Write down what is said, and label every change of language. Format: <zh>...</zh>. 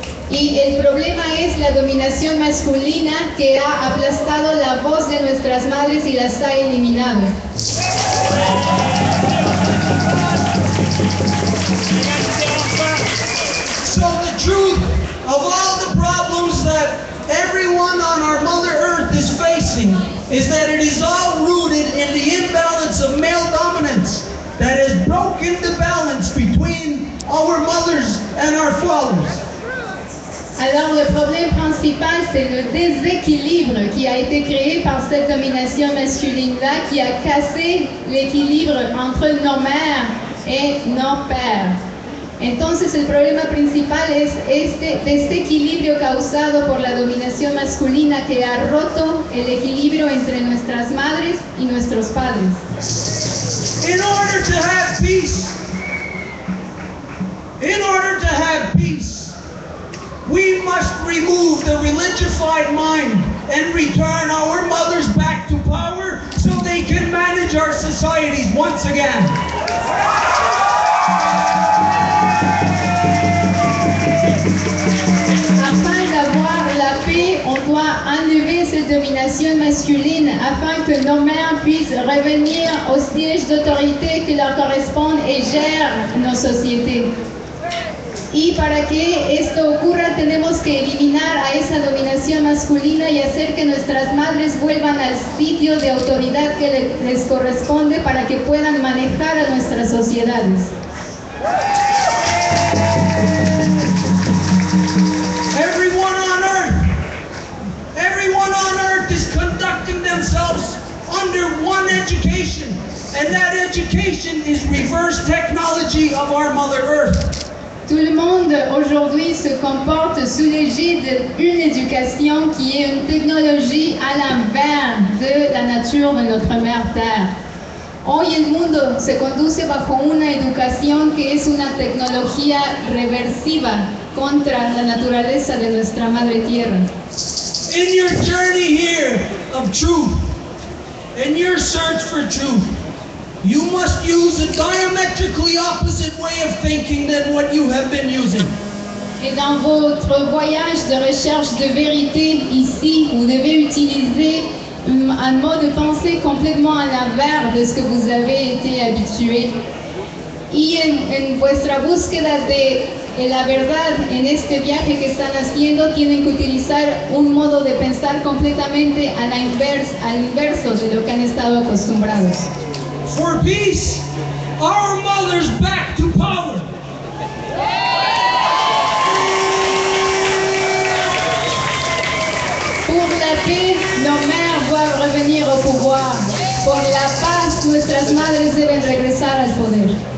<es>Y el problema es la dominación masculina que ha aplastado la voz de nuestras madres y las ha eliminado.</es> <en>So the truth of all the problems that everyone on our Mother Earth is facing is that it is all rooted in the imbalance of male dominance that has broken the balance between our mothers and our fathers.</en> <fr>Alors le problème principal, c'est le déséquilibre qui a été créé par cette domination masculine-là qui a cassé l'équilibre entre nos mères et nos pères.</fr> <es>Entonces el problema principal es este desequilibrio causado por la dominación masculina que ha roto el equilibrio entre nuestras madres y nuestros padres.</es> <en>In order to have peace, in order to have peace, we must remove the religified mind and return our mothers back to power so they can manage our societies once again.</en> <fr>Afin d'avoir la paix, on doit enlever cette domination masculine afin que nos mères puissent revenir au siège d'autorité qui leur correspond et gère nos sociétés.</fr> <es>Y para que esto ocurra, tenemos que eliminar a esa dominación masculina y hacer que nuestras madres vuelvan al sitio de autoridad que les corresponde para que puedan manejar a nuestras sociedades.</es> <en>Everyone on earth is conducting themselves under one education, and that education is reverse technology of our Mother Earth.</en> <fr>Tout le monde aujourd'hui se comporte sous l'égide d'une éducation qui est une technologie à l'envers de la nature de notre mère Terre.</fr> <es>Hoy el mundo se conduce bajo una educación que es una tecnología reversiva contra la naturaleza de nuestra madre Tierra.</es> <en>In your journey here of truth, in your search for truth, you must use a diametrically opposite way of thinking than what you have been using.</en> <fr>Et dans votre voyage de recherche de vérité ici, vous devez utiliser un mode de pensée complètement à l'envers de ce que vous avez été habitué.</fr> <es>Y en vuestra búsqueda de la verdad en este viaje que están haciendo, tienen que utilizar un modo de pensar completamente al inverso de lo que han estado acostumbrados.</es> <en>For peace, our mothers back to power.</en> <fr>Pour la paix, nos mères doivent revenir au pouvoir.</fr> <es>Pour la paz, nuestras madres deben regresar al poder.</es>